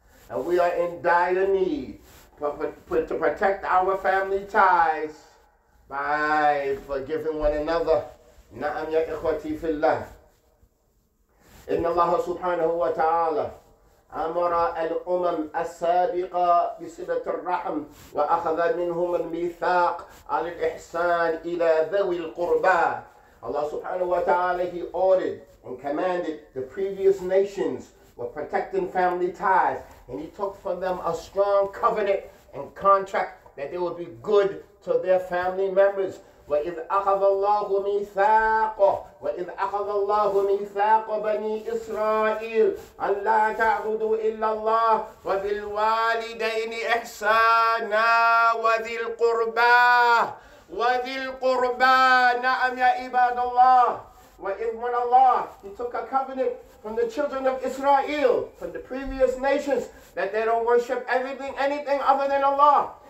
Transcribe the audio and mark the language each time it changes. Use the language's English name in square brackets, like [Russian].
[English] And we are in dire need to protect our family ties by forgiving one another. [Arabic] نعم يا إخوتي في الله. إن الله سبحانه وتعالى أمر الأمم السابقة بصلة الرحم وأخذ منهم الميثاق على الإحسان إلى ذوي القربى. [English] Allah subhanahu wa ta'ala, He ordered and commanded the previous nations were protecting family ties, and He took from them a strong covenant and contract that they would be good to their family members. [Arabic] وَإِذْ أَخَذَ اللَّهُ مِيثَاقَهُ وَإِذْ أَخَذَ اللَّهُ مِيثَاقَ بَنِي إِسْرَائِيلَ أَلَّا تَعْبُدُوا إِلَّا اللَّهَ وَبِالْوَالِدَيْنِ إِحْسَانًا وَذِي الْقُرْبَى وَذِي الْقُرْبَى نَعَمْ يَا عِبَادَ اللَّهِ وَإِذْ مَنَ اللَّهُ [English] He took a covenant from the children of Israel, from the previous nations, that they don't worship anything other than Allah.